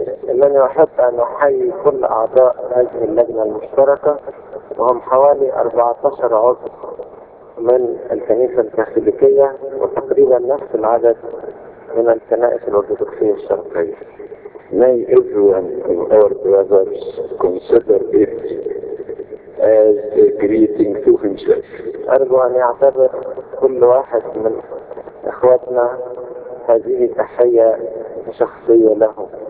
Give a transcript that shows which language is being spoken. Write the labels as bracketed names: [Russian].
[Arabic] إنني أحب أن أحيي كل أعضاء هذه اللجنة المشتركة وهم حوالي 14 عضو من الكنيسة الكاثوليكية وتقريبا نفس العدد من الكنائس الأرثوذكسية الشرقية. [English] May everyone of our brothers consider it as a greeting to himself. [Arabic] أرجو أن يعتبر كل واحد من إخواتنا هذه تحية شخصية له.